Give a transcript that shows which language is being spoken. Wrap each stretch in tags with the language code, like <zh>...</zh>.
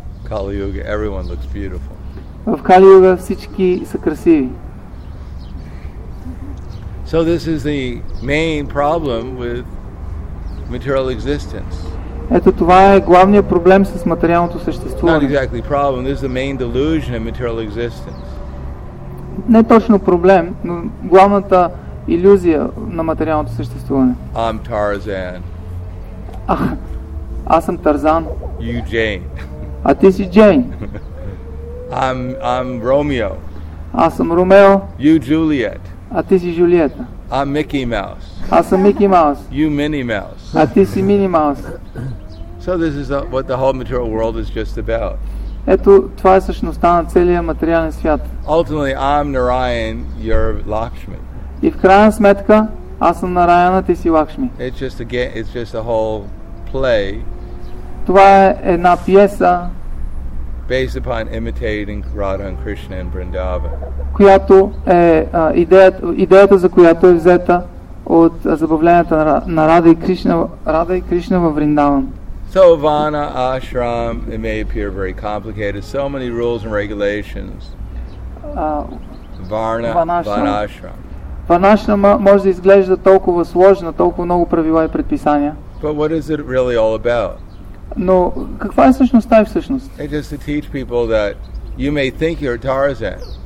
<en>Kali Yuga, everyone looks beautiful.</en> <bg>В Кали Юга всички са красиви.</bg> <en>So this is the main problem with material existence.</en> <bg>Ето това е главният проблем с материалното съществуване.</bg> <en>Not exactly problem, this is the main delusion of material existence.</en> <bg>Не точно проблем, но главната илюзия на материалното съществуване.</bg> <en>I'm Tarzan.</en> <bg>Аз съм Тарзан.</bg> <en>You Jane.</en> <bg>А ти си Джейн.</bg> <en>I'm Romeo.</en> <bg>Аз съм Ромео.</bg> <en>You Juliet.</en> <bg>А ти си Джулиета.</bg> <en>I'm Mickey Mouse.</en> <bg>Аз съм Mickey Mouse.</bg> <en>You Minnie Mouse.</en> <bg>А ти си Minnie Mouse.</bg> <en>So this is what the whole material world is just about.</en> <bg>Ето това е същността на целия материален свят.</bg> <en>Ultimately, I'm Narayan, you're Lakshmi.</en> <bg>И в крайна сметка, аз съм Нараяна, ти си Лакшми.</bg> <en>It's just a whole play.</en> <bg>Това е една пиеса.</bg> <en>Based upon imitating Radha and Krishna and Vrindavan.</en> <bg>Която е идеята за която е взета от забавленията на Рада и Кришна във Вриндаван.</bg> <en>So vana ashram, it may appear very complicated. So many rules and regulations. Vana ashram.</en> <bg>Ванашрама може да изглежда толкова сложна, толкова много правила и предписания.</bg> <en>But what is it really all about?</en> <bg>Но каква е същността и всъщност?</bg> <en>It's just to teach people that you may think you're Tarzan.</en>